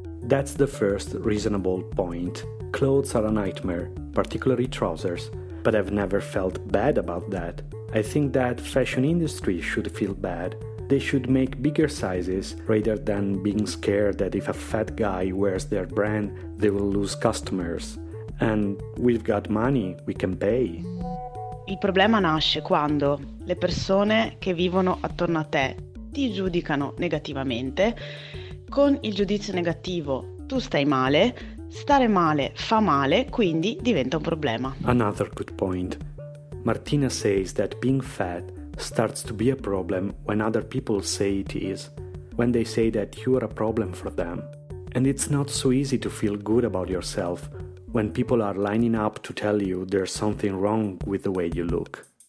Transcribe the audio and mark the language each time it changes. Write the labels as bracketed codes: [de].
[en] That's the first reasonable point. Clothes are a nightmare, particularly trousers, but I've never felt bad about that. I think that fashion industry should feel bad. They should make bigger sizes rather than being scared that if a fat guy wears their brand, they will lose customers. And we've got money, we can pay. [it] Il problema nasce quando le persone che vivono attorno a te ti giudicano negativamente. Con il giudizio negativo tu stai male, stare male fa male, quindi diventa un problema. [en] Another good point. Martina says that being fat starts to be a problem when other people say it is, when they say that you are a problem for them. And it's not so easy to feel good about yourself when people are lining up to tell you there's something wrong with the way you look.